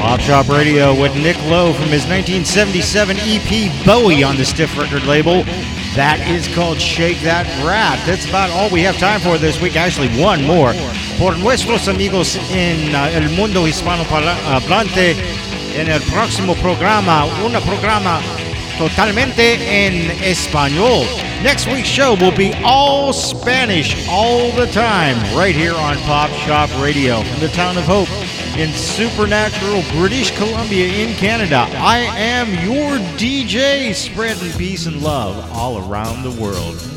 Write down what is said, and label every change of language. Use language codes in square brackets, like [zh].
[en] Shop Radio with Nick Lowe from his 1977 EP Bowie on the Stiff Record label. That is called Shake That Rat. That's about all we have time for this week. Actually, one more. [es] Por nuestros amigos en el mundo hispano parlante, en el próximo programa, un programa totalmente en español. [en] Next week's show will be all Spanish all the time right here on Pop Shop Radio from the town of Hope. In Supernatural, British Columbia, in Canada, I am your DJ, spreading peace and love all around the world.